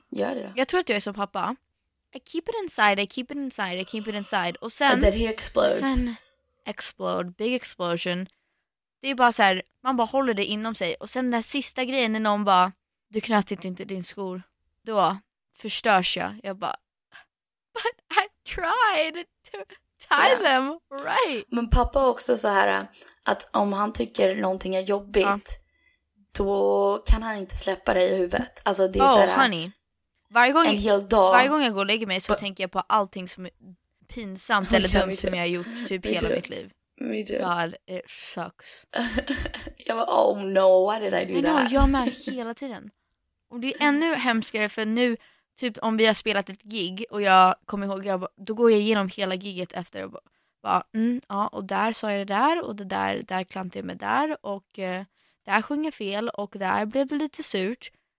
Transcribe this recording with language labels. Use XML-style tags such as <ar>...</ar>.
<sv>Gör det. Jag tror att jag är som pappa.</sv> <en>I keep it inside, I keep it inside, I keep it inside.</en> <sv>Och sen,</sv> <en>and then he explodes.</en> <sv>Sen</sv> <en>explode, big explosion.</en> <sv>Det är bara så här, man bara håller det inom sig. Och sen den sista grejen när någon bara, du knattit inte din skor. Då förstörs jag. Jag bara,</sv> <en>but I tried to tie them right.</en> <sv>Men pappa också så här, att om han tycker någonting är jobbigt, då kan han inte släppa det i huvudet. Alltså det är så här, honey. Varje gång, en hel dag. Varje gång jag går och lägger mig så tänker jag på allting som är pinsamt eller dumt som jag har gjort typ hela mitt liv.</sv> <en>Me too. God, it sucks.</en> <sv>Jag bara,</sv> <en>oh no, why did I do that?</en> <sv>Jag med hela tiden. Och det är ännu hemskare för nu, typ om vi har spelat ett gig och jag kommer ihåg, jag bara, då går jag igenom hela gigget efter och bara, ja, och där sa jag det där och det där, där klantade jag mig där och där sjunger fel och där blev det lite surt.</sv>